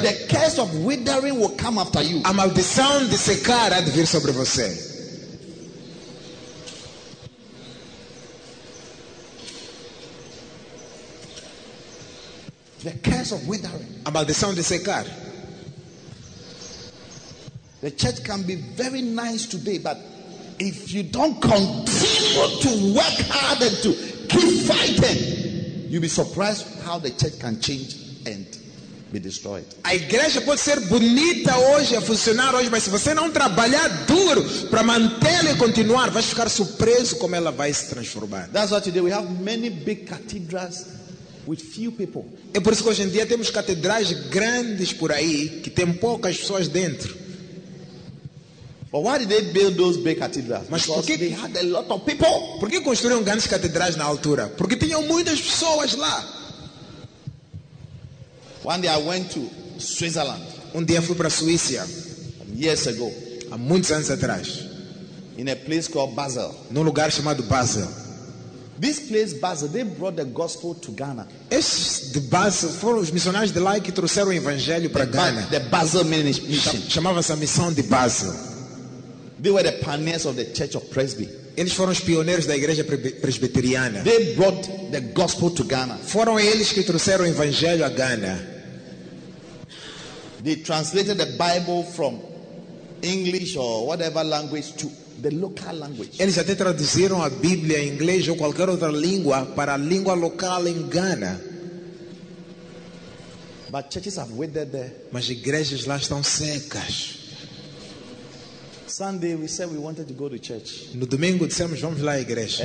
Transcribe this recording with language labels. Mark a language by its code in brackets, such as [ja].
[en] the curse of withering will come after you. [pt] A maldição de secar há de vir sobre você. [en] The curse of withering. [pt] A maldição de secar. [en] The church can be very nice today, but if you don't continue to work hard and to keep fighting, you'll be surprised how the church can change and be destroyed. [pt] A igreja pode ser bonita hoje, a funcionar hoje, mas se você não trabalhar duro para mantê-la e continuar, vai ficar surpreso como ela vai se transformar. [en] That's why today we have many big cathedrals with few people. [pt] É por isso que hoje em dia temos catedrais grandes por aí que tem poucas pessoas dentro. [en] But why did they build those big cathedrals? [pt] Mas [en] because [pt] porque [en] they had a lot of people. [pt] Por que construíram grandes catedrais na altura? Porque tinham muitas pessoas lá. [en] One day I went to Switzerland. [pt] Um dia fui para a Suíça. [en] Years ago. [pt] Há muitos anos atrás. [en] In a place called Basel. [pt] Num lugar chamado Basel. [en] This place Basel, they brought the gospel to Ghana. [pt] Esses de Basel foram os missionários de lá que trouxeram o evangelho para Ghana. [en] The Basel Mission. [pt] Chamava-se a missão de Basel. [en] They were the pioneers of the Church of Presby. [pt] Eles foram os pioneiros da igreja presbiteriana. [en] They brought the gospel to Ghana. [pt] Foram eles que trouxeram o evangelho a Ghana. [en] They translated the Bible from English or whatever language to the local language. [pt] Eles até traduziram a Bíblia em inglês ou qualquer outra língua para a língua local em Ghana. [en] But churches have withered there. [pt] Mas igrejas lá estão secas. [en] Sunday we said we wanted to go to church. [pt] No domingo dissemos vamos lá à igreja.